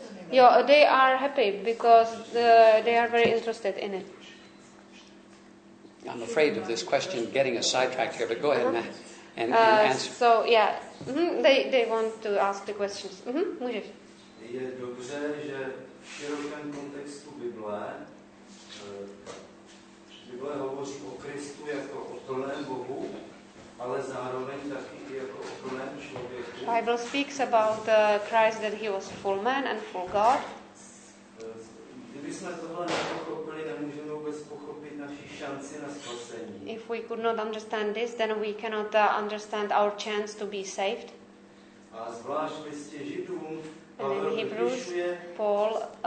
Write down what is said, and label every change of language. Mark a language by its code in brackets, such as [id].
[en] Jo, they are happy because they are very interested in it. I'm afraid of this question getting a sidetracked here, but go ahead and answer. So, yeah, they want to ask the questions. [cs] Mm-hmm. Můžeš. Je dobře, že v širokém kontextu Bible hovoří o Kristu jako o plném Bohu, ale zároveň taky jako o plném člověku. [en] Bible speaks about Christ that he was full man and full God. [cs] Kdybychom tohle nepochopili, nemůžeme vůbec pochopit naši šanci na spasení. [en] If we could not understand this, then we cannot understand our chance to be saved. [cs] A zvlášť v listě Židům, Pavel [en] in Hebrews, Paul